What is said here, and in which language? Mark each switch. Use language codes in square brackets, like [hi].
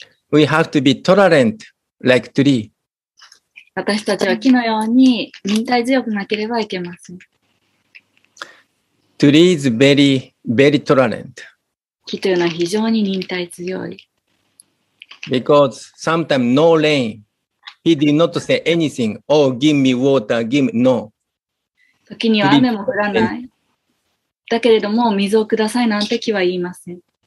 [en] We have to be tolerant like tree. [ja] 私たちは木のように忍耐強くなければいけません。 [en] Tree is very, very tolerant. [ja] 木というのは非常に忍耐強い。 [en] Because sometimes no rain, he did not say anything. Oh, give me water, give me no. [ja] 時には雨も降らない。だけれども水をくださいなんて木は言いません。